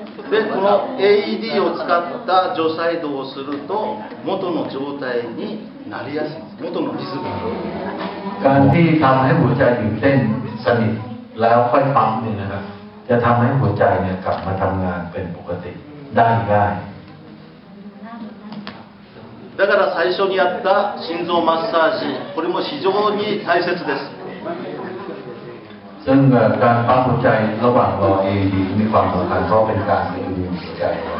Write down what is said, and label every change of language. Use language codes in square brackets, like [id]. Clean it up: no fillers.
[ja] で、この AED を使った除細動をすると元の状態になりやすい、元のリズムになる。 [th] การที่ทำให้หัวใจหยุดเต้นสนิทแล้วค่อยปั๊มเนี่ยนะครับจะทำให้หัวใจเนี่ยกลับมาทำงานเป็นปกติได้ง่าย [ja] だから最初にやった心臓マッサージ、これも非常に大切です。 [th] ซึ่งการปั๊มหัวใจระหว่างรอ AED มีความสำคัญเพราะเป็นการดูดหัวใจ